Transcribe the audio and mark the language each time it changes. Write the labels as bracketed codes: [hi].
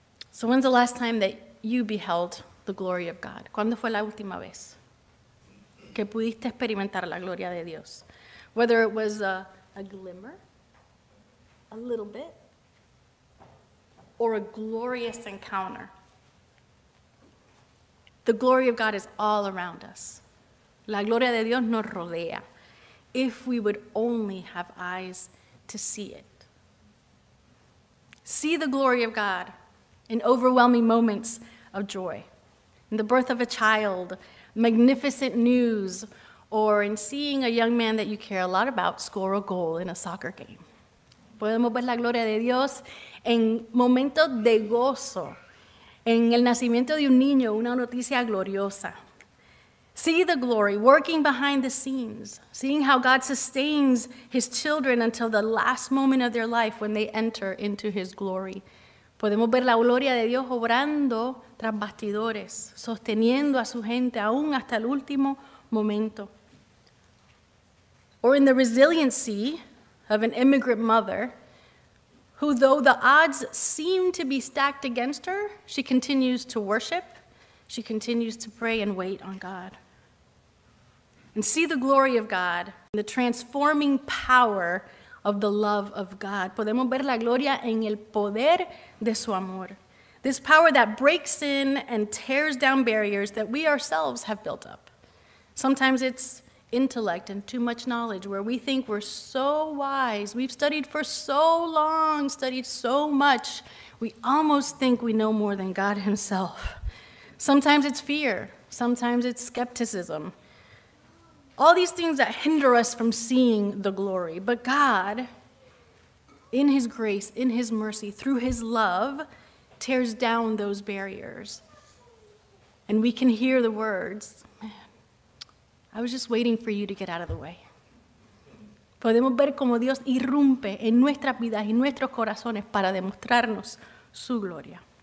[en] So when's the last time that you beheld the glory of God? [es] ¿Cuándo fue la última vez que pudiste experimentar la gloria de Dios? [en] Whether it was a glimmer, a little bit, or a glorious encounter. The glory of God is all around us. [es] La gloria de Dios nos rodea. [en] If we would only have eyes to see it. See the glory of God in overwhelming moments of joy. In the birth of a child, magnificent news, or in seeing a young man that you care a lot about score a goal in a soccer game. [es] Podemos ver la gloria de Dios en momentos de gozo. En el nacimiento de un niño, una noticia gloriosa. [en] See the glory, working behind the scenes, seeing how God sustains his children until the last moment of their life when they enter into his glory. [es] Podemos ver la gloria de Dios obrando tras bastidores, sosteniendo a su gente aún hasta el último momento. [en] Or in the resiliency of an immigrant mother, who though the odds seem to be stacked against her, she continues to worship, she continues to pray and wait on God. And see the glory of God, and the transforming power of the love of God. [es] Podemos ver la gloria en el poder de su amor. [en] This power that breaks in and tears down barriers that we ourselves have built up. Sometimes it's intellect and too much knowledge, where we think we're so wise, we've studied for so long, studied so much, we almost think we know more than God himself. Sometimes it's fear, sometimes it's skepticism. All these things that hinder us from seeing the glory. But God, in his grace, in his mercy, through his love, tears down those barriers. And we can hear the words, I was just waiting for you to get out of the way. [es] Podemos ver cómo Dios irrumpe en nuestras vidas y nuestros corazones para demostrarnos su gloria.